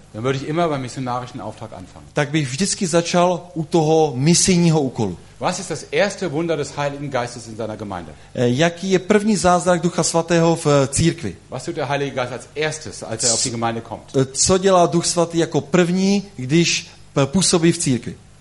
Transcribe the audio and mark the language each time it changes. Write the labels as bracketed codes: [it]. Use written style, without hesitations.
[de] Dann würde ich immer beim missionarischen Auftrag anfangen. [cs] Tak bych vždycky začal u toho misijního úkolu. [de] Was ist das erste Wunder des Heiligen Geistes in seiner Gemeinde? [cs] Jaký je první zázrak Ducha Svatého v církvi? [de] Was tut der Heilige Geist als erstes, als er auf die Gemeinde kommt? [cs] Co dělá Duch Svatý jako první, když působí v církvi?